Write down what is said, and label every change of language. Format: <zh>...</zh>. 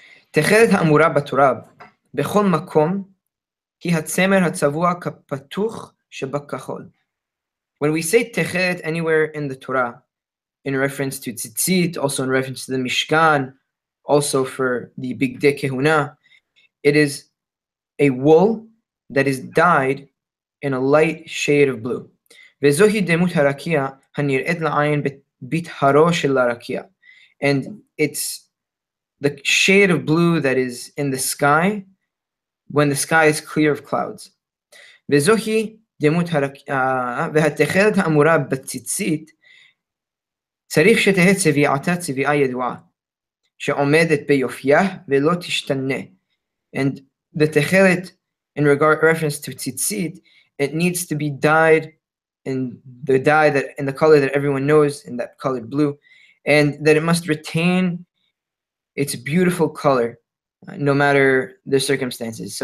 <he>תחלת האמורה בתורה בכל מקום היא הצמר הצבוע כפתוח שבכחול.</he> <en>When we say תחלת anywhere in the Torah, in reference to tzitzit, also in reference to the Mishkan, also for the Bigdei Kehuna, it is a wool that is dyed in a light shade of blue.</en> <he>וזוהי דמות הרקיע הנראית לעין בית הרו של הרקיע.</he> <en>And it's the shade of blue that is in the sky when the sky is clear of clouds.</en> <he>וזוהי דמות הרקיע, והתכלת האמורה בציצית, צריך שתהיה צביעתה צביעה ידועה, שעומדת ביופייה ולא תשתנה.</he> <en>And the Techelet, in regard reference to tzitzit, it needs to be dyed in the color that everyone knows, in that colored blue, and that it must retain its beautiful color no matter the circumstances.</en>